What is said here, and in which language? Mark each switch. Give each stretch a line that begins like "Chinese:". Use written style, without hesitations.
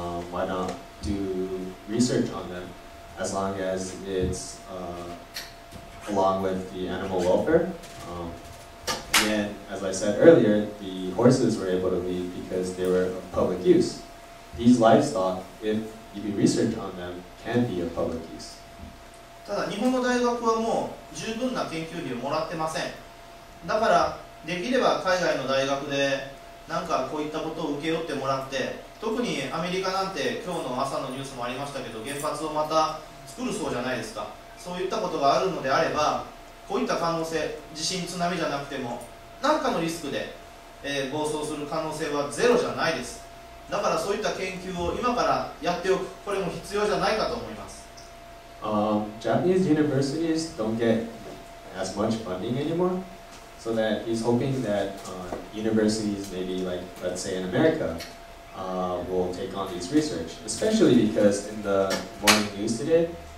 English: Why not do research on them as long as it's along with the animal welfare? And as I said earlier, the horses were able to leave because they were of public use. These livestock, if you do research on them, can be of public use.
Japanese: ただ日本の大学はもう十分な研究費をもらってません。だからできれば海外の大学でなんかこういったことを受け負ってもらって、特にアメリカなんて今日の朝のニュースもありましたけど、原発をまた作るそうじゃないですか。そういったことがあるのであれば、こういった可能性、地震、津波じゃなくても、何かのリスクで、暴走する可能性はゼロじゃないです。だからそういった研究を今からやっておく、これも必要じゃないかと思います。
English: Japanese universities don't get as much funding anymore, so that he's hoping that universities maybe like, let's say in America, will take on this research, especially because in the morning news today,